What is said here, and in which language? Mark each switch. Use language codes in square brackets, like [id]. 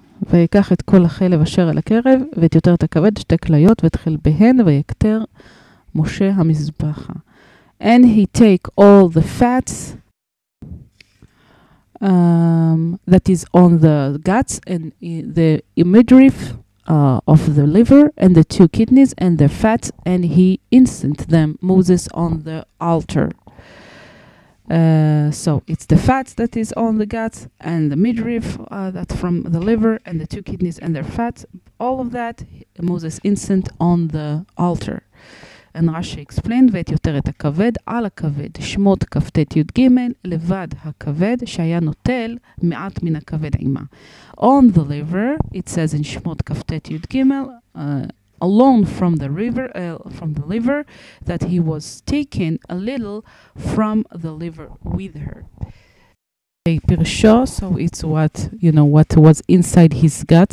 [he] ויקח את כל החלב אשר על הקרב, ואת יותרת הכבד, שתי כליות, ואת חלביהן, ויקטר משה המזבחה. [en] And he take all the fats that is on the guts and the midriff of the liver and the two kidneys and the fats, and he incense them, Moses, on the altar. So it's the fats that is on the guts and the midriff that's from the liver and the two kidneys and their fats. All of that, Moses incense on the altar. And Rashi explained, [he] ואת יותרת הכבד על הכבד, שמות כפתת י' ג' לבד הכבד, שהיה נוטל מעט מן הכבד עימה. [en] On the liver, it says in [he] שמות כפתת י' ג' [en] alone from the river, from the liver, that he was taken a little from the liver with her. A pirsho, so it's what, you know, what was inside his gut.